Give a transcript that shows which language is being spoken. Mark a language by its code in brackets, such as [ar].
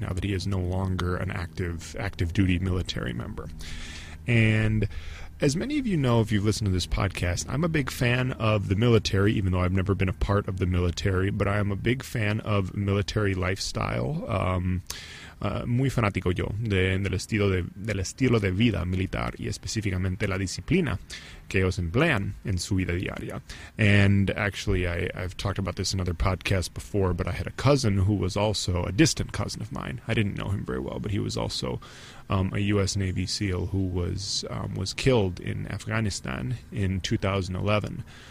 [en] Now that he is no longer an active duty military member. And as many of you know, if you've listened to this podcast, I'm a big fan of the military, even though I've never been a part of the military, but I am a big fan of military lifestyle. [es] Muy fanático yo del estilo de vida militar y específicamente la disciplina que ellos emplean en su vida diaria. [en] And actually, I've talked about this in other podcasts before, but I had a cousin who was also a distant cousin of mine. I didn't know him very well, but he was also a U.S. Navy SEAL who was killed in Afghanistan in 2011.